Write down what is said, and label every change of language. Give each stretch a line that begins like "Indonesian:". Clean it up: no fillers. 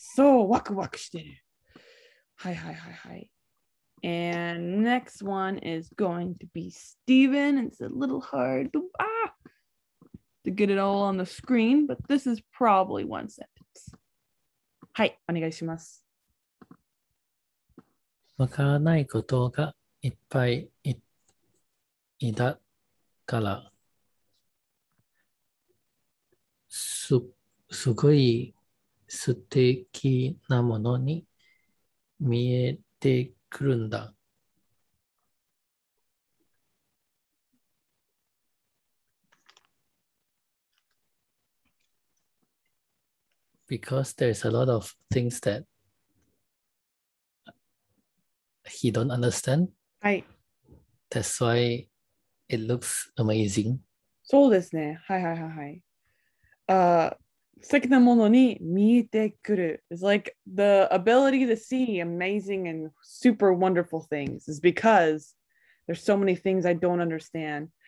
English: So
Japanese: ワクワクしてる。
English: Hi, hi, hi, hi. And next one is going to be Steven. It's a little hard to get it all on the screen, but this is probably one sentence.
Japanese: Hi, お願いします。わからないことがいっぱいいだから、すごい素敵なものに見えてくるんだ。
English: Because there's a lot of things that he don't understand. Right. That's why it looks amazing.
Japanese: そうですね。はいはいはいはい。素敵なものに見えてくる。
English: It's like the ability to see amazing and super wonderful things is because there's so many things I don't understand.